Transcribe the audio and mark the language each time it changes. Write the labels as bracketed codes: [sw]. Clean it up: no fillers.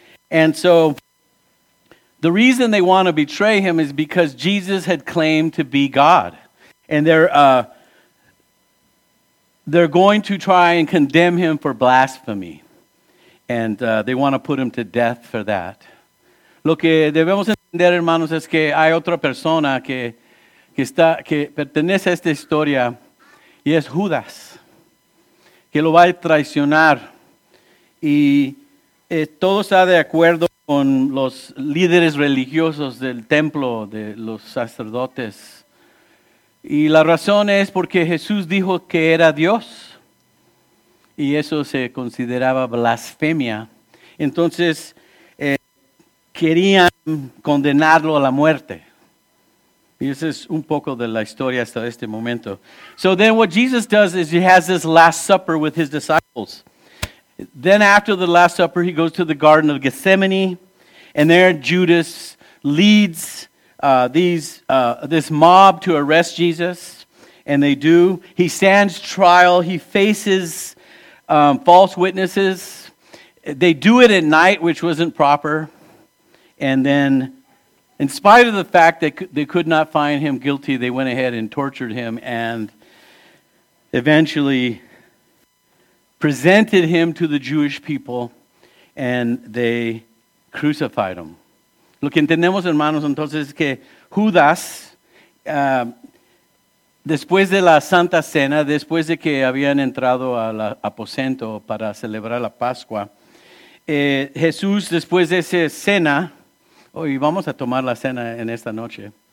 [en] And so the reason they want to betray him is because Jesus had claimed to be God, and they're going to try and condemn him for blasphemy, and they want to put him to death for that. [es] Lo que debemos entender, hermanos, es que hay otra persona que pertenece a esta historia, y es Judas, que lo va a traicionar. Y todo está de acuerdo con los líderes religiosos del templo, de los sacerdotes. Y la razón es porque Jesús dijo que era Dios, y eso se consideraba blasfemia. Entonces, querían condenarlo a la muerte. Y eso es un poco de la historia hasta este momento. [en] So then what Jesus does is he has this last supper with his disciples. Then after the last supper, he goes to the Garden of Gethsemane. And there Judas leads this mob to arrest Jesus. And they do. He stands trial. He faces false witnesses. They do it at night, which wasn't proper. And then, in spite of the fact that they could not find him guilty, they went ahead and tortured him and eventually presented him to the Jewish people, and they crucified him. [es] Lo que entendemos, hermanos, entonces, es que Judas, después de la Santa Cena, después de que habían entrado al aposento para celebrar la Pascua, Jesús, después de esa cena, hoy vamos a tomar la cena en esta noche.